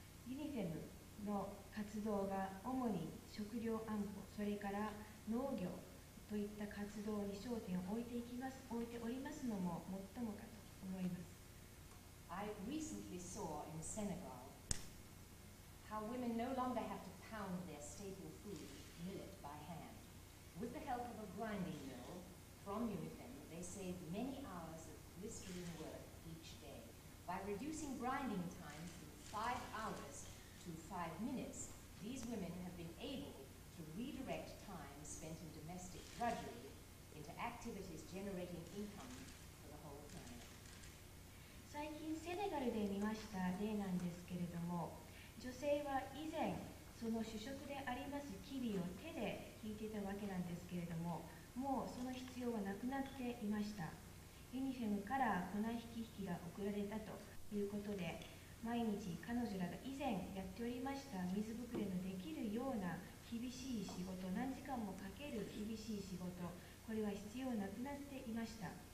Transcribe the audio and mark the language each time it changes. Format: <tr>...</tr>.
<ja>ユニフェムの活動が主に食料安保、それから農業といった活動に焦点を置いておりますのも最もかと思います。</ja> <en>I recently saw in Senegal how women no longer have to pound their staple food, millet, by hand. With the help of a grinding mill from UNIFEM, they save many hours of blistering work each day. By reducing grinding time from 5 hours to 5 minutes, these women have been able to redirect time spent in domestic drudgery into activities generating income for the whole family.</en> <ja>最近セネガルで見ました例なんですけれども、女性は以前その主食でありますキビを手で引いていたわけなんですけれども、もうその必要はなくなっていました。ユニフェムから粉引きが送られたということで、毎日彼女らが以前やっておりました水ぶくれのできるような厳しい仕事、何時間もかける厳しい仕事、これは必要なくなっていました。</ja>